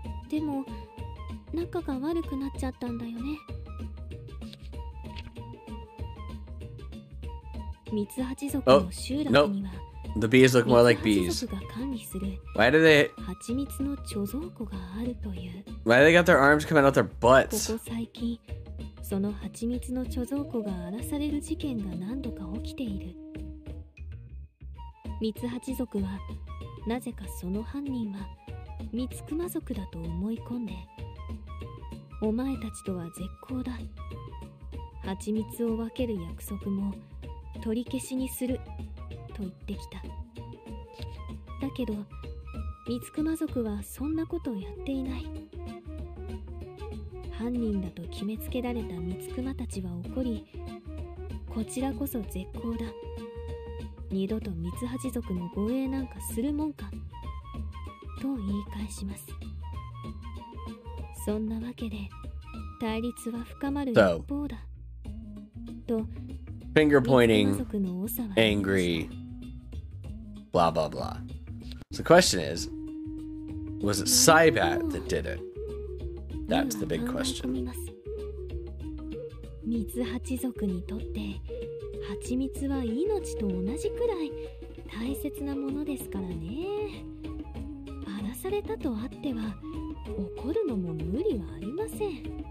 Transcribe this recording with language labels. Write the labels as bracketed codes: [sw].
[ja] でも、仲が悪くなっちゃったんだよね。ミツハチ族の集落には、 [en] The bees look more like bees. Why do they? [ja] ハチミツの貯蔵庫があるという。 [en] Why they got their arms coming out their butts? [ja] ここ最近、そのハチミツの貯蔵庫が荒らされる事件が何度か起きている。ミツハチ族はなぜかその犯人はミツクマ族だと思い込んで。お前たちとは絶好だ。蜂蜜を分ける約束も取り消しにすると言ってきた。だけど、ミツクマ族はそんなことをやっていない。犯人だと決めつけられたミツクマたちは怒り、こちらこそ絶好だ。二度とミツハチ族の護衛なんかするもんか。と言い返します。そんなわけで対立は深まる一方だ。と、 [en] finger pointing, angry, blah blah blah. So the question is, was it Saibat that did it? That's the big question. [ja] ミツハチ族にとって、ハチミツは命と同じくらい大切なものですからね。荒らされたとあっては。怒るのも無理はありません。